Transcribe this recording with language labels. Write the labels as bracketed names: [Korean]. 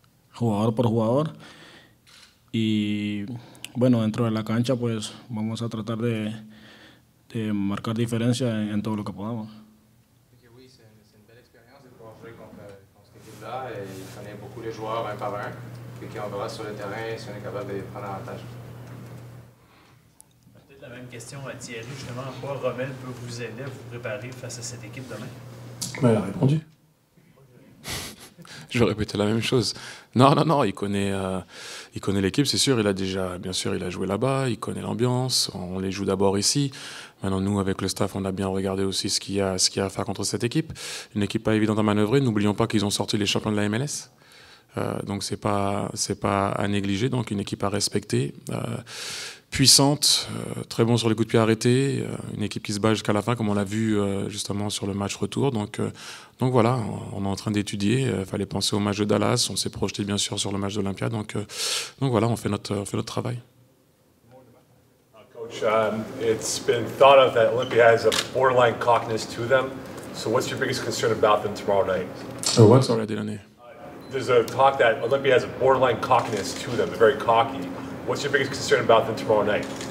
[Spanish] Jugador por jugador, y bueno, dentro de la cancha pues vamos a tratar de marcar diferencia en todo lo que podamos. Creo que sí, es una buena experiencia de poder jugar contra este equipo, y conoce mucho los jugadores un por uno, y que [French] on verra sur le terrain si on est capable de prendre avantage. Peut-être la même question à Thierry, justement, à quoi Romel peut vous aider à vous préparer face à cette équipe demain? Mais elle a répondu. Je vais répéter la même chose. Non, il connaît l'équipe, c'est sûr. Il a déjà, bien sûr, il a joué là-bas, il connaît l'ambiance. On les joue d'abord ici. Maintenant, nous, avec le staff, on a bien regardé aussi ce qu'il y a à faire contre cette équipe. Une équipe pas évidente à manœuvrer. N'oublions pas qu'ils ont sorti les champions de la MLS. Donc, c'est pas à négliger. Donc, une équipe à respecter. Puissante, très bon sur les coups de pied arrêtés, une équipe qui se bat jusqu'à la fin, comme on l'a vu justement sur le match retour. Donc voilà, on est en train d'étudier. Fallait penser au match de Dallas. On s'est projeté bien sûr sur le match d'Olympia. Donc voilà, on fait notre travail. [English] Coach, it's been thought of that Olympia has a borderline cockiness to them. So what's your biggest concern about them tomorrow night? Oh, what? Sorry, I didn't hear. There's a talk that Olympia has a borderline cockiness to them. They're very cocky. What's your biggest concern about them tomorrow night?